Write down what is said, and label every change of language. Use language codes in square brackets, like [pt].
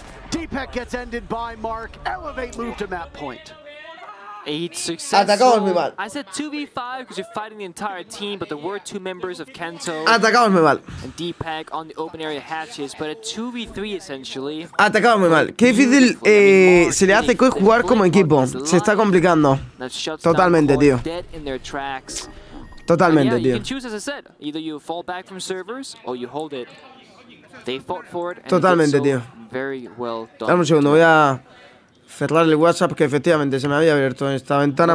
[en] Deepak gets ended by Mark. Elevate move to map point. 8 success. [es] Atacamos muy mal. [en] I said 2v5 because you're fighting the entire team, but there were two members of Kento. [es] Atacamos muy mal. [en] And Deepak on the open area hatches, but a 2v3 essentially. [es] Atacamos muy mal. Qué difícil se le hace Koi jugar como equipo. Se está complicando. Totalmente, tío. [en] Dead in their tracks. [es] Totalmente, tío. [en] You can choose, as I said, either you fall back from servers or you hold it. They fought for it. [es] Totalmente, tío. [en] Very well done. [es] Dame un segundo, voy a cerrar el WhatsApp, que efectivamente se me había abierto en esta ventana.